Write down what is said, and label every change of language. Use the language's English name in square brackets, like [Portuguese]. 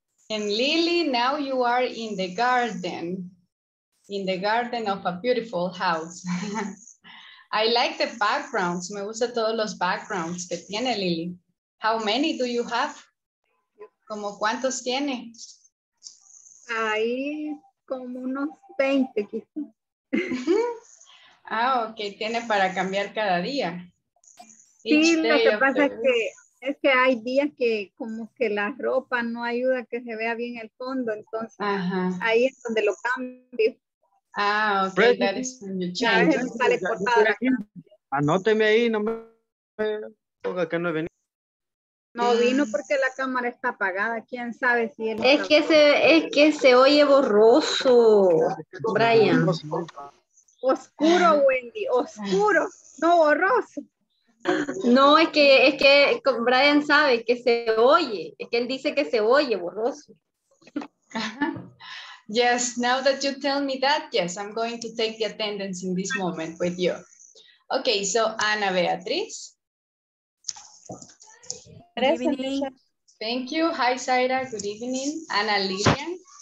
[English] And Lily, now you are in the garden of a beautiful house. I like the backgrounds. [Spanish] Me gusta todos los backgrounds que tiene Lily. [English] How many do you have? [Spanish] ¿Como cuántos tiene? Ahí como unos 20. Ah, ok. Tiene para cambiar cada día. Sí, lo que pasa es que es que hay días que como que la ropa no ayuda a que se vea bien el fondo, entonces ajá, ahí es donde lo cambio. [English] Ah, ok, pero that is when you change. [Spanish] A veces sale cortada. Anóteme ahí, no me ponga que no he venido. No vino porque la cámara está apagada, quién sabe si él es que se es que se oye borroso, Brian. Oscuro, Wendy, oscuro, no borroso. No, es que Brian sabe que se oye, es que él dice que se oye borroso. [English] Yes, now that you tell me that, yes, I'm going to take the attendance in this moment with you. Okay, so Ana Beatriz. Good evening. Thank you. Hi, Zaira. Good evening. Ana Lilian.